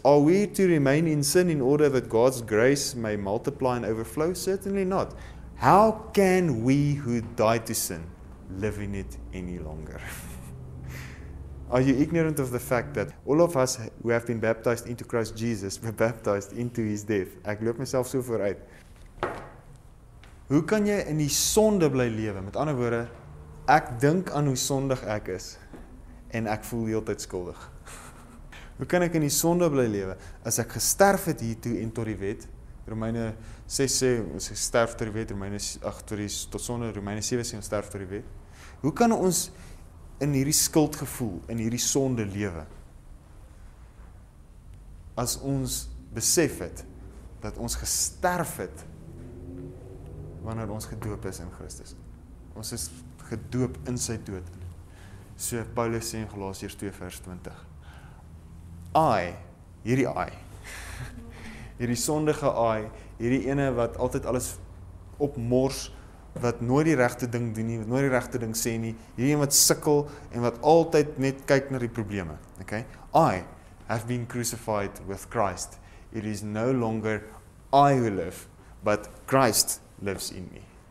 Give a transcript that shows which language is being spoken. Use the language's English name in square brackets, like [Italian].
[English] Are we to remain in sin in order that God's grace may multiply and overflow? Certainly not. How can we who died to sin live in it any longer? Are you ignorant of the fact that all of us who have been baptized into Christ Jesus were baptized into his death? [Afrikaans] Ek loop myself so vooruit. Hoe kan jy in die sonde bly lewe? Met ander woorde, ek dink aan hoe sondig ek is en ek voel heeltyd skuldig. Hoe kan ek in die sonde bly lewe as ek gesterf het hiertoe en tot die wet? Romeine 6 sê ons sterf tot die wet, Romeine 8 tot sonde, Romeine 7 sê ons sterf tot die wet. Hoe kan ons in hierdie skuldgevoel, in hierdie sonde lewe, as ons besef het, dat ons gesterf het, wanneer ons gedoop is in Christus. Ons is gedoop in sy dood. So Paulus sê in Galasiërs 2 vers 20, hierdie sondige I, hierdie ene wat altyd alles opmors, wat nooit die regte ding doen nie, wat nooit die regte ding sê nie, hierdie een wat sukkel en wat altyd net kyk na die probleme. [English] Okay? I have been crucified with Christ. It is no longer I who live, but Christ lives in me.